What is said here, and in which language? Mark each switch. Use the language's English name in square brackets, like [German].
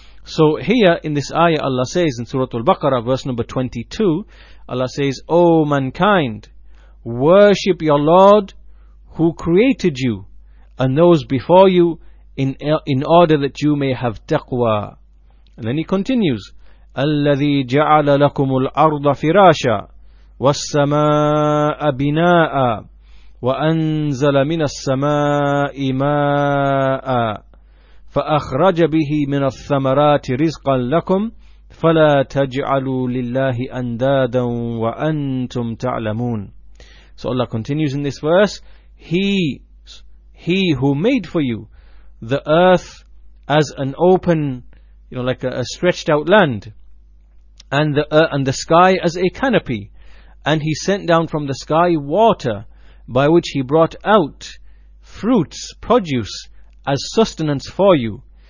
[English] So here in this ayah Allah says in Surah Al-Baqarah verse number 22, Allah says, O mankind, worship your Lord who created you and those before you in order that you may have taqwa. And then he continues, [Arabic] الَّذِي جَعَلَ لَكُمُ الْأَرْضَ فِرَاشًا والسماء بناء وأنزل من السماء ماء فأخرج به من الثمرات رزقا لكم فلا تجعلوا لله أندادا وأنتم تعلمون. [English] So Allah continues in this verse, He who made for you the earth as an open, you know, like a stretched out land, and the sky as a canopy, and he sent down from the sky water by which he brought out fruits, produce, as sustenance for you.